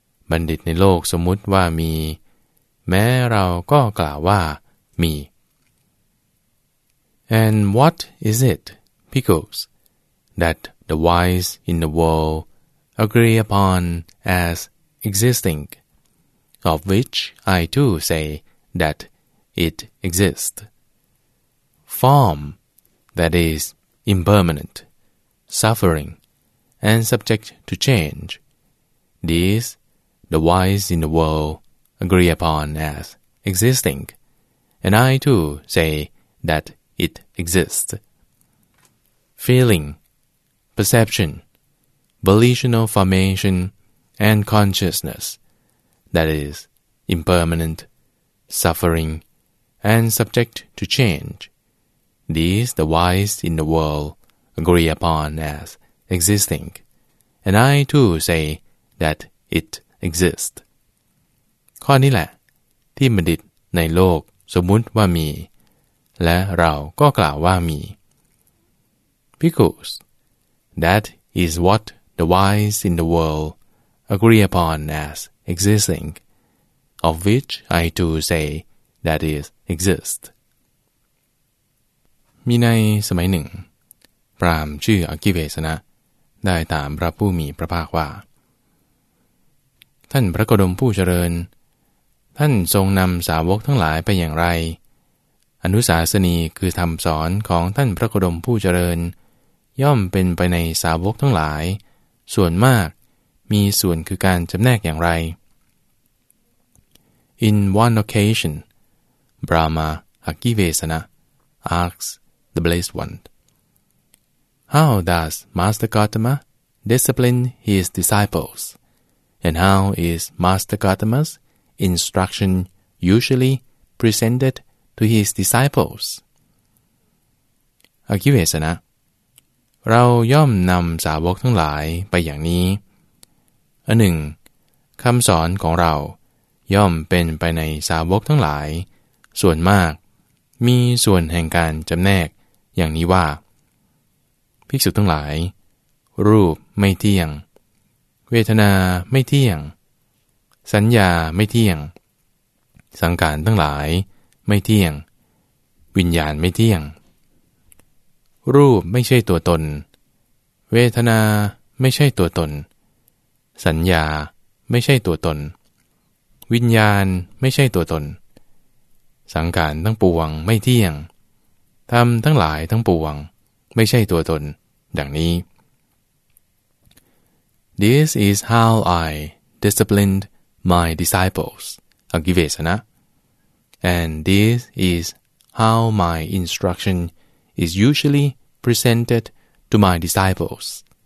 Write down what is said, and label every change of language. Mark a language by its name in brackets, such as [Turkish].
[Thai] บัณฑิตในโลกสมมุติว่ามีแม้เราก็กล่าวว่ามี [English] And what is it, because, that the wise in the world agree upon as existing, of which I too say that it exists? Form, that is, impermanent, suffering, and subject to change, these the wise in the world agree upon as existing, and I too say that it exists. Feeling, perception, volitional formation, and consciousness, that is, impermanent, suffering, and subject to change, these the wise in the world agree upon as existing, and I too say that it exists. [Thai] ข้อนี้แหละที่บัณฑิตในโลกสมมุติว่ามีและเราก็กล่าวว่ามี [English] Because that is what the wise in the world agree upon as existing, of which I too say that is exist. [Thai] มีในสมัยหนึ่งพราหมณ์ชื่ออกิเวสนะได้ถามพระผู้มีพระภาคว่าท่านพระโคดมผู้เจริญท่านทรงนำสาวกทั้งหลายไปอย่างไรอนุสาสนีคือธรรมสอนของท่านพระโคดมผู้เจริญย่อมเป็นไปในสาวกทั้งหลายส่วนมากมีส่วนคือการจำแนกอย่างไร [English] In one occasion, Brahma Akivesana asks the Blessed One, How does Master Gautama discipline his disciples? And how is Master Gautama's instruction usually presented to his disciples? [Thai] Akivesana, เราย่อมนำสาวกทั้งหลายไปอย่างนี้อันหนึ่งคำสอนของเราย่อมเป็นไปในสาวกทั้งหลายส่วนมากมีส่วนแห่งการจำแนกอย่างนี้ว่าภิกษุทั้งหลายรูปไม่เที่ยงเวทนาไม่เที่ยงสัญญาไม่เที่ยงสังขารทั้งหลายไม่เที่ยงวิญญาณไม่เที่ยง รูปไม่ใช่ตัวตนเวทนาไม่ใช่ตัวตนสัญญาไม่ใช่ตัวตนวิญญาณไม่ใช่ตัวตนสังขารทั้งปวงไม่เที่ยงธรรมทั้งหลายทั้งปวงไม่ใช่ตัวตนดังนี้ [English] This is how I disciplined my disciples, Agivesana. And this is how my instruction is usually presented to my disciples.